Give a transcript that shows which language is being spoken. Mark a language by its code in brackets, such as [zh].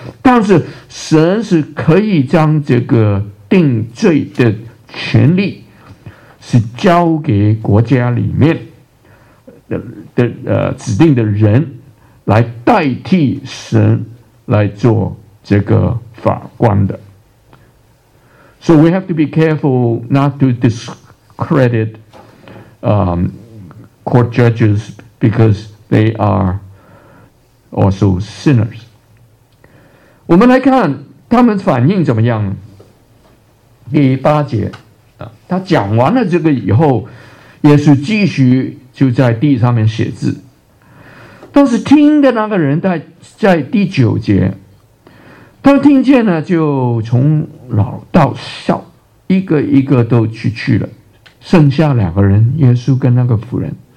[zh] 但是神是可以将这个定罪的权利是交给国家里面 的指定的人来代替神来做这个法官的。 [en] So we have to be careful not to discredit court judges because they are also sinners. [zh] 我们来看他们反应怎么样。第八节，他讲完了这个以后，耶稣继续就在地上面写字。但是听的那个人在第九节，他听见呢，就从老到少，一个一个都去了，剩下两个人，耶稣跟那个妇人。